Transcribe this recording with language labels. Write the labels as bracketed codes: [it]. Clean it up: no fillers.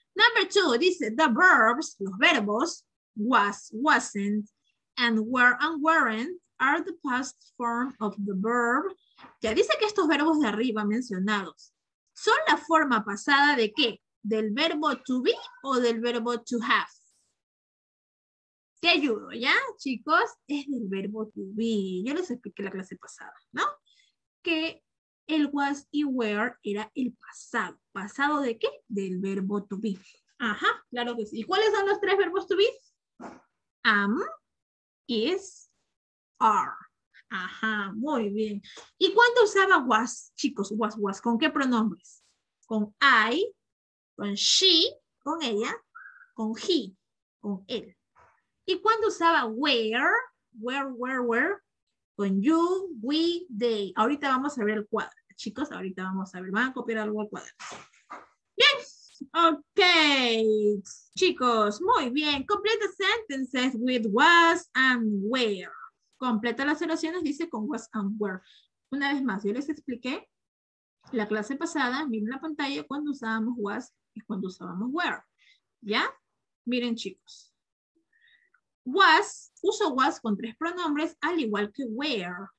[en] Number two, dice, the verbs, [es] los verbos, [en] was, wasn't, and were and weren't, are the past form of the verb. [es] Ya dice que estos verbos de arriba mencionados son la forma pasada ¿de qué? ¿Del verbo to be o del verbo to have? Te ayudo, ¿ya, chicos? Es del verbo to be. Yo les expliqué la clase pasada, ¿no? Que el was y were era el pasado. ¿Pasado de qué? Del verbo to be. Ajá, claro que sí. ¿Y cuáles son los tres verbos to be? Am, is, are. Ajá, muy bien. ¿Y cuándo usaba was, chicos? Was, ¿con qué pronombres? Con I, con she, con ella, con he, con él. ¿Y cuándo usaba where? Con you, we, they. Ahorita vamos a ver el cuadro, chicos. Ahorita vamos a ver, van a copiar algo al cuadro. Bien, ok, chicos, muy bien. [en] Complete the sentences with was and where. [es] Completa las oraciones, dice, con was and were. Una vez más, yo les expliqué la clase pasada, miren la pantalla, cuando usábamos was y cuando usábamos were. ¿Ya? Miren, chicos. Was, uso was con tres pronombres, al igual que were.